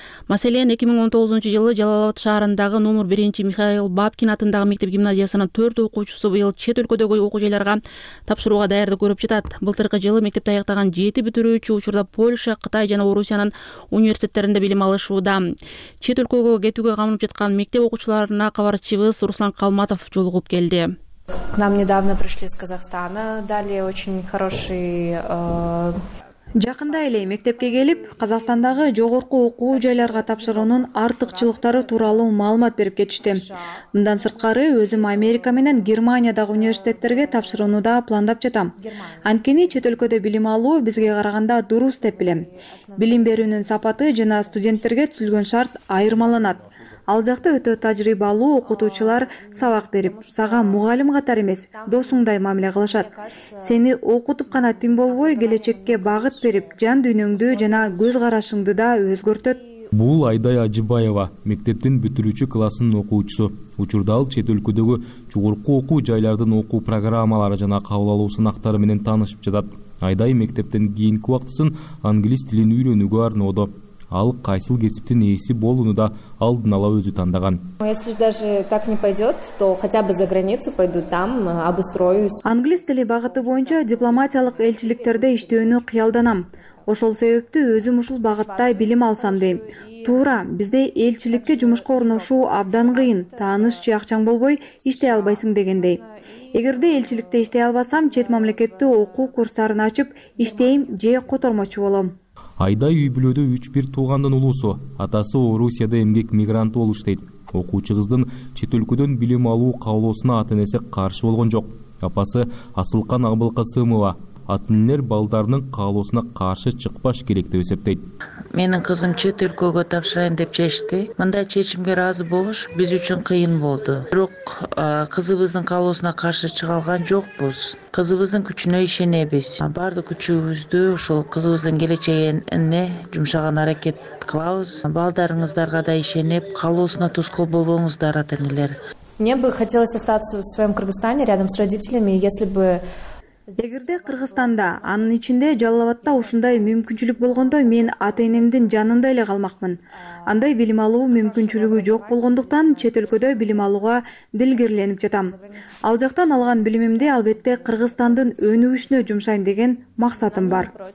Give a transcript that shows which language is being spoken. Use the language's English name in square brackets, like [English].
[Kyrgyz] Маселен, 2019 жылы Жалал Абад шаарындагы номер 1 Михаил Бабкин атындагы мектеп гимназиясынын 4 окуучусу быйыл чет өлкөдөгү окуу жайларга тапшырууга даярды көрүп жатат. Былтыркы жылы мектепти аяктаган 7 бүтүрүүчү учурда Польша, Кытай жана Орусиянын университеттеринде билим алышууда. Чет өлкөгө кетүүгө камынып жаткан мектеп окуучуларына кабарчыбыз Руслан Калматов жолугуп келди. [Russian] К нам недавно пришли из Казахстана, дали очень хороший... [Kyrgyz] Жакында эле мектепке келип, Казакстандагы жогорку окуу жайларга тапшыруунун артыкчылыктары тууралуу маалымат берип кетишти. Мындан сырткары өзүм Америка менен Германиядагы университеттерге тапшырууну да пландап жатам. Анткени чет өлкөдө билим алуу бизге караганда дурус деп билем. Билим берүүнүн сапаты жана студенттерге түзүлгөн шарт айырмаланат. Ал жакта өтө тажрыйбалуу окутуучулар сабак берип, сага мугалим катары эмес, досуңдай мамиле кылышат. Сени окутуп гана тең болбой, келечекке багыт берип, жан дүйнөңдү жана көз карашыңды да өзгөртөт. Бул Айдай Ажыбаева, мектептин бүтүрүүчү классынын окуучусу. Учурда ал чет өлкөдөгү жогорку окуу жайлардын окуу программалары жана кабыл алуу сынактары менен таанышып жатат. Айдай мектептен кийинки убактысын англис тилин үйрөнүүгө арноодо. Ал кайсыл кесиптин ээси болууну да алдын ала өзү тандаган. [Russian] Если даже так не пойдет, то хотя бы за границу пойду, там обустроюсь. [Kyrgyz] Англис тили багыты боюнча дипломатиялык элчиликтерде иштөөнү кыялданам. Ошол себептүү өзүм ушул багытта билим алсам дейм. Туура, бизде элчиликке жумушка орношуу абдан кыйын, тааныш же акчаң болбой иштей албайсың дегендей. Эгерде элчиликте иштей албасам, чет мамлекетте окуу курстарын ачып иштейм же котормочу болом. Айдай үй бүлөдө 3-1 туугандын улуусу, атасы Орусияда эмгек мигранты болуштейт. Окуучу кыздын чет өлкөдөн билим алуу каалоосуна ата энеси каршы болгон жок. Апасы Асылкан Абылкасымова ата энелер балдарынын каалоосуна каршы чыкпаш керек деп эсептейт. Менин кызым чет өлкөгө тапшырайын деп чечти. Мындай чечимге ыраазы болуш биз үчүн кыйын болду. Бирок кызыбыздын каалоосуна каршы чыга алган жокпуз. Кызыбыздын күчүнө ишенебиз. Бардык күчүбүздү ушул кызыбыздын келечегине жумшаган аракет кылабыз. Балдарыңыздарга да ишенип, каалоосуна тоскоол болбоңуздар ата энелер. [Russian] Мне бы хотелось остаться в своем Кыргызстане рядом с родителями, если бы [Kyrgyz] Эгерде Кыргызстанда, анын ичинде Жалал-Абадта ушундай мүмкүнчүлүк болгондо мен ата-энемдин жанында эле калмакмын. Андай билим алуу мүмкүнчүлүгү жок болгондуктан чет өлкөдө билим алууга дилгирленип жатам. Ал жактан алган билимимди албетте Кыргызстандын өнүгүшүнө жумшайм деген максатым бар.